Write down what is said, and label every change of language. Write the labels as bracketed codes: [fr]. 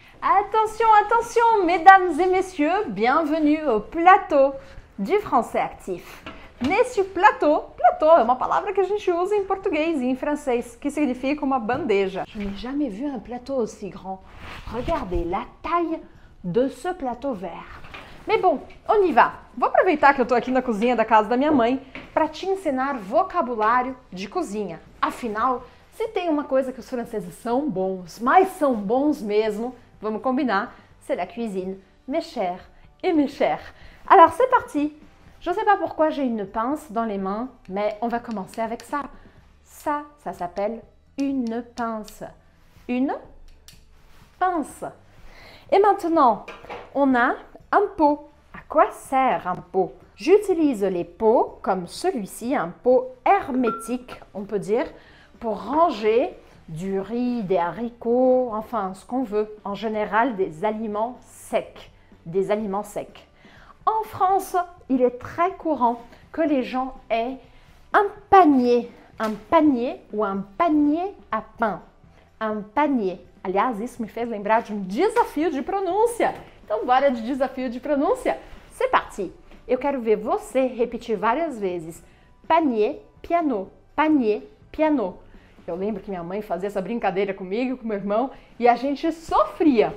[fr] Attention, attention, mesdames et messieurs, bienvenue au plateau du français actif. [pt] Nesse plateau, plateau é uma palavra que a gente usa em português e em francês, que significa uma bandeja. [fr] Je n'ai jamais vu un plateau aussi grand. Regardez la taille de ce plateau vert. Mais bon, on y va. [pt] Vou aproveitar que eu tô aqui na cozinha da casa da minha mãe para te ensinar vocabulário de cozinha. Afinal, se tem uma coisa que os franceses são bons, mas são bons mesmo, vamos combinar, [fr] c'est la cuisine, mes chers et mes chers. Alors, c'est parti. Je ne sais pas pourquoi j'ai une pince dans les mains, mais on va commencer avec ça. Ça, ça s'appelle une pince. Une pince. Et maintenant, on a un pot. À quoi sert un pot? J'utilise les pots comme celui-ci, un pot hermétique, on peut dire, pour ranger du riz, des haricots, enfin ce qu'on veut. En général, des aliments secs. Des aliments secs. En France, il est très courant que les gens aient un panier ou un panier à pain. Un panier. [pt] Aliás, isso me fez lembrar de um desafio de pronúncia. Então, bora de desafio de pronúncia. [fr] C'est parti. [pt] Eu quero ver você repetir várias vezes. Panier, piano. Panier, piano. Eu lembro que minha mãe fazia essa brincadeira comigo, com meu irmão, e a gente sofria.